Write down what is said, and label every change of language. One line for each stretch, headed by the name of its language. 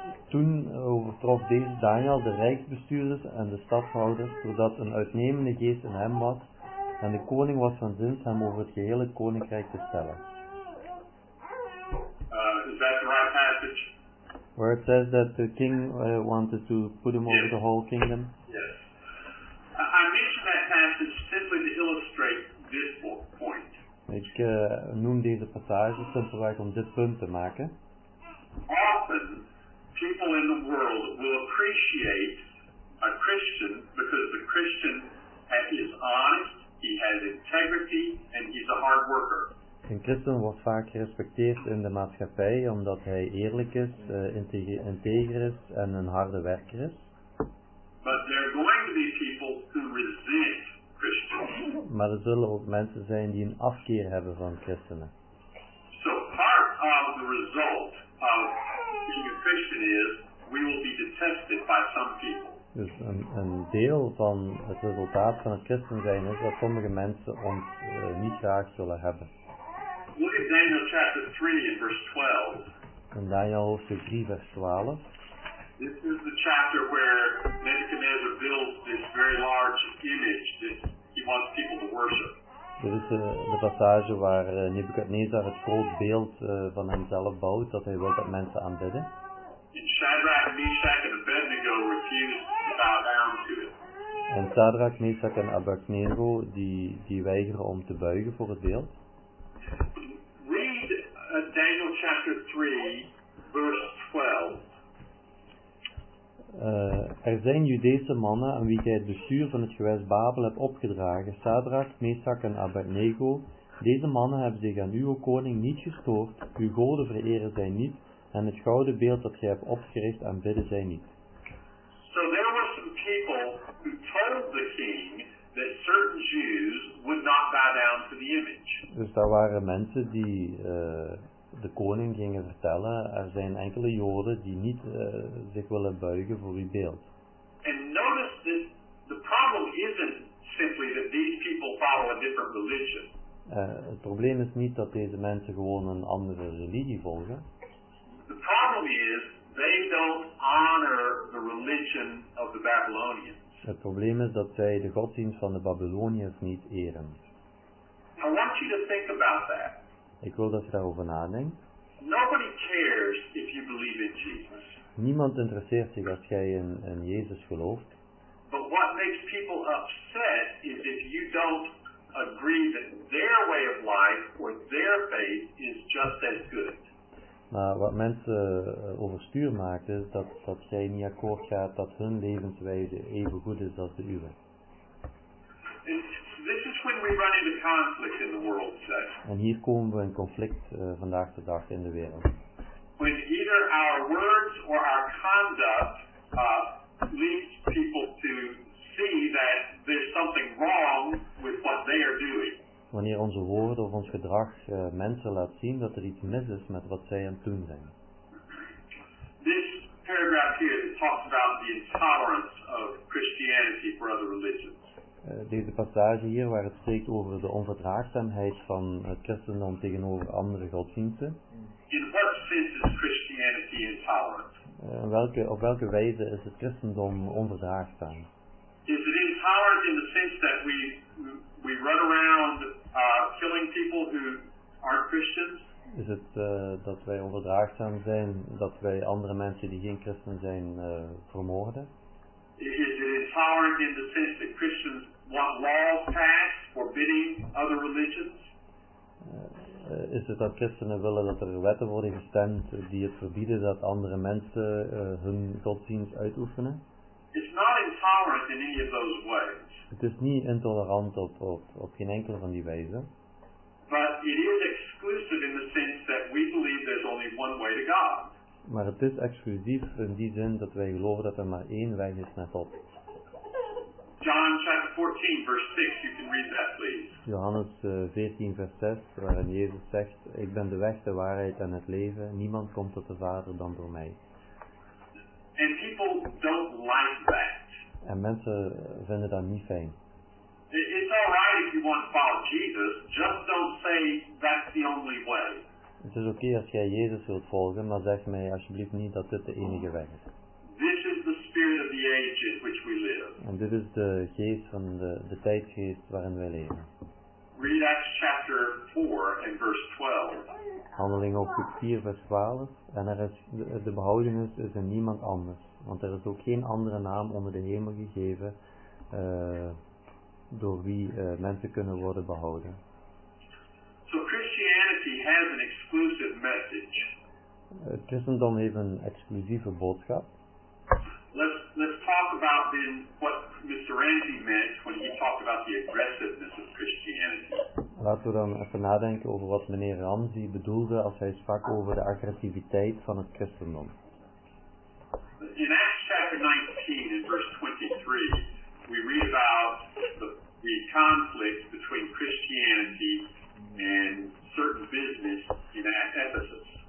Dutch: Toen overtrof deze Daniel de rijksbestuurders en de stadhouders, doordat een uitnemende geest in hem was, en de koning was van zins hem over het gehele koninkrijk te stellen.
English: Is that the right passage? Where it says that the king wanted to put him over the whole kingdom? Yes. I mentioned that passage simply to illustrate this point.
Dutch: Ik noem deze passage simpelweg om dit punt te maken.
English: Often people in the world will appreciate a Christian because the Christian is honest, he has integrity, and he's a hard worker.
Dutch: Een christen wordt vaak gerespecteerd in de maatschappij omdat hij eerlijk is, integer is en een harde werker is.
English: But there are going to be people who resent Christians.
Dutch: Maar er zullen ook mensen zijn die een afkeer hebben van christenen.
English: So part of the result of being a Christian is we will be detested by some people.
Dutch: Dus een deel van het resultaat van het christen zijn is dat sommige mensen ons niet graag zullen hebben.
English: Look at Daniel chapter 3 and verse 12.
Dutch: In Daniel hoofdstuk 3 vers 12.
English: This is the chapter where Nebuchadnezzar builds this very large image that he wants people to worship.
Dutch: Dit is de passage waar Nebuchadnezzar het groot beeld van hemzelf bouwt, dat hij wil dat mensen aanbidden.
English: Shadrach, Meshach, and Abednego refused to bow down to it.
Dutch: En Sadrach, Meshach en Abednego, die weigeren om te buigen voor het beeld.
English: Read Daniel chapter 3, verse 12.
Dutch: Er zijn Judese mannen aan wie jij het bestuur van het gewest Babel hebt opgedragen, Sadrach, Meshach en Abednego. Deze mannen hebben zich aan uw koning niet gestoord, uw goden vereren zij niet, en het gouden beeld dat gij hebt opgericht aanbidden zij niet.
English: So there were some people who told the king that certain Jews would not bow down to the image.
Dutch: Dus daar waren mensen die de koning gingen vertellen, er zijn enkele Joden die niet zich willen buigen voor uw beeld.
English: And notice that the problem isn't simply that these people follow a different religion.
Dutch: Het probleem is niet dat deze mensen gewoon een andere religie volgen.
English: The problem is they don't honor the religion of the Babylonians.
Dutch: Het probleem is dat zij de godsdienst van de Babyloniërs niet eren.
English: I want you to think about that.
Dutch: Ik wil dat je daarover nadenkt.
English: Nobody cares if you believe in Jesus.
Dutch: Niemand interesseert zich als jij in Jezus gelooft.
English: But what makes people upset is if you don't agree that their way of life or their faith is just as good.
Dutch: Maar wat mensen overstuur maakt is dat zij niet akkoord gaat dat hun levenswijze even goed is als de uwe.
English: This is when we run into conflict in the world today.
Dutch: En hier komen we in conflict vandaag de dag in de wereld.
English: When either our words or our conduct leads people to see that there's something wrong with what they are doing.
Dutch: Wanneer onze woorden of ons gedrag mensen laat zien dat er iets mis is met wat zij aan het doen zijn.
English: This paragraph here talks about the intolerance of Christianity for other religions.
Dutch: Deze passage hier waar het spreekt over de onverdraagzaamheid van het christendom tegenover andere godsdiensten.
English: In what sense is Christianity intolerant?
Dutch: Op welke wijze is het christendom onverdraagzaam?
English: Is it intolerant in the sense that we run around killing people who aren't Christians?
Dutch: Is het dat wij onverdraagzaam zijn, dat wij andere mensen die geen christen zijn vermoorden?
English: Is it intolerant in the sense that Christians want laws passed forbidding other religions?
Dutch: Is het dat christenen willen dat er wetten worden gestemd die het verbieden dat andere mensen hun godsdienst uitoefenen?
English: It's not intolerant in any of those ways.
Dutch: Het is niet intolerant op geen enkele van die wijzen.
English: But it is exclusive in the sense that we believe there's only one way to God.
Dutch: Maar het is exclusief in die zin dat wij geloven dat er maar één weg is naar God.
English: John chapter 14 verse 6, you can read that please.
Dutch: Johannes 14 vers 6, waarin Jezus zegt: Ik ben de weg, de waarheid en het leven. Niemand komt tot de Vader dan door mij.
English: And people don't like that.
Dutch: En mensen vinden dat niet fijn.
English: It's all right if you want to follow Jesus, just don't say that's the only way.
Dutch: Het is oké als jij Jezus wilt volgen, maar zeg mij alsjeblieft niet dat dit de enige weg is.
English: This is the spirit of the age in which we live.
Dutch: En dit is de geest van de tijdgeest waarin wij leven.
English: Read Acts chapter 4 and verse 12.
Dutch: Handeling hoofdstuk 4 vers 12. En er is de behoudenis is in niemand anders. Want er is ook geen andere naam onder de hemel gegeven door wie mensen kunnen worden behouden.
English: So Christianity has an exclusive message.
Dutch: Het christendom heeft een exclusieve boodschap.
English: Let's talk about then what Mr. Ramsey meant when he talked about the aggressiveness of Christianity.
Dutch: Laten we dan even nadenken over wat meneer Ramsey bedoelde als hij sprak over de agressiviteit van het christendom.
English: In Acts chapter 19 in verse 23 we read about the conflict between Christianity and certain business in Ephesus.